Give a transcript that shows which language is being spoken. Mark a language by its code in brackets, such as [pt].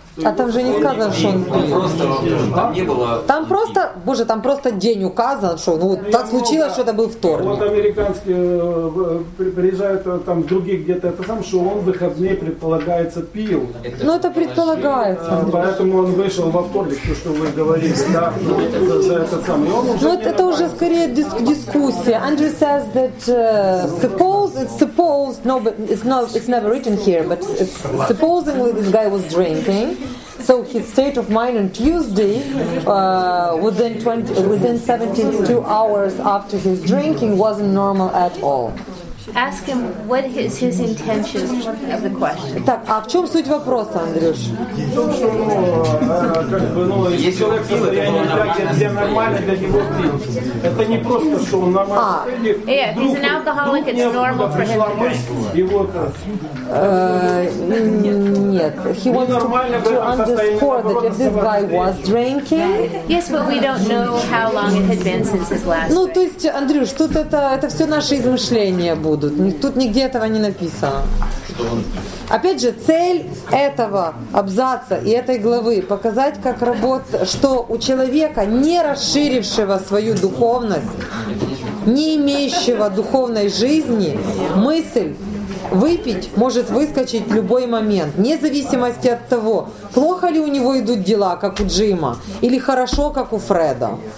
[ru] а там же не сказано, что он пил. Там просто, боже, там просто день указан, что ну, так случилось, что это был вторник. Вот американские приезжают там в других где-то, это там, что он в выходные предполагается пил. Ну это предполагается. Поэтому он вышел во вторник, то, что вы говорили, да, за этот самый. Ну это уже скорее дискуссия. [en] Andrew says that suppose, no, but it's never written here, but supposedly this guy was drinking. So his state of mind on Tuesday, within 72 hours after his drinking, wasn't normal at all. Ask him what is his intention of the question. [ru] Так, а в чем суть вопроса, Андрюш? В том, что, если человек состояние тяги, где нормально для него пить, это не просто, что он нормально. [en] Yeah, if he's an alcoholic, it's normal for him to drink. [ru] Нет. [en] He wants to underscore that if this guy was drinking... Yes, but we don't know how long it had been since his last drink. [ru] Ну, то есть, Андрюш, тут это все наши измышления будут. Тут нигде этого не написано. Опять же, цель этого абзаца и этой главы – показать, как работает, что у человека, не расширившего свою духовность, не имеющего духовной жизни, мысль выпить может выскочить в любой момент, вне зависимости от того, плохо ли у него идут дела, как у Джима, или хорошо, как у Фреда.